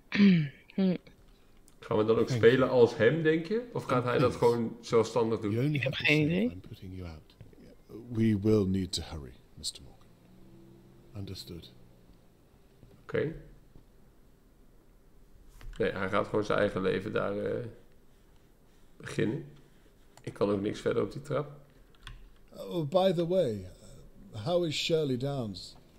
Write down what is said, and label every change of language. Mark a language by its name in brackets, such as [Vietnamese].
[Dutch] Gaan we dan ook spelen als hem, denk je? Of gaat hij dat gewoon zelfstandig doen? [English] You only have to say if I'm putting you out. We will need to hurry, Mr. Morgan. Understood. [Dutch] Oké. Nee, hij gaat gewoon zijn eigen leven daar beginnen. Ik kan ook niks verder op die trap. [English] Oh, by the way, how is Shirley Downs?